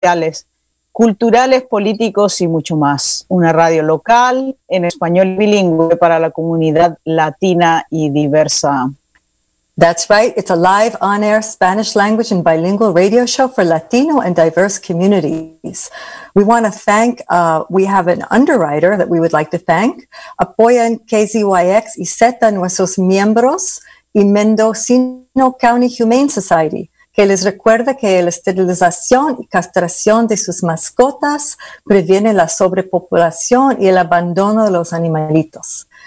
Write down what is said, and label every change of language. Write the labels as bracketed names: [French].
[Spanish] sociales, culturales, políticos y mucho más. Una radio local en español bilingüe para la comunidad latina y diversa. [English] That's right. It's a live on-air Spanish language and bilingual radio show for Latino and diverse communities. We want to thank, we have an underwriter that we would like to thank. [Spanish] Apoyan KZYX y Z nuestros miembros y Mendocino County Humane Society, que les recuerda que la esterilización y castración de sus mascotas previene la sobrepopulación y el abandono de los animalitos.